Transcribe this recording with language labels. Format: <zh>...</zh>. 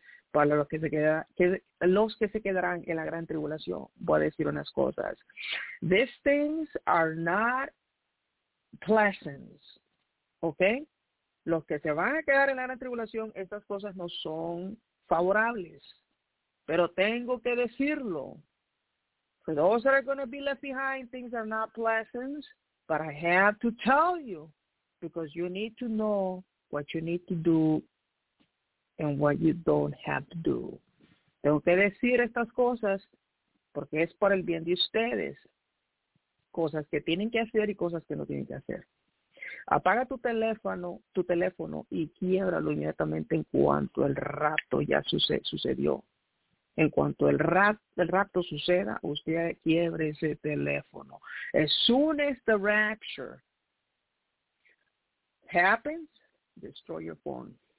<es>Para los que se quedarán en la gran tribulación, voy a decir unas cosas.</es> <en>These things are not pleasant, okay?</en> <es>Los que se van a quedar en la gran tribulación, estas cosas no son favorables. Pero tengo que decirlo.</es> <en>For those that are going to be left behind, things are not pleasant. But I have to tell you, because you need to know what you need to do and what you don't have to do.</en> <es>Tengo que decir estas cosas porque es por el bien de ustedes. Cosas que tienen que hacer y cosas que no tienen que hacer. Apaga tu teléfono y quiébralo inmediatamente en cuanto el rapto ya sucedió. En cuanto el rapto suceda, usted quiebre ese teléfono.</es> <en>As soon as the rapture happens, destroy your phone.</en>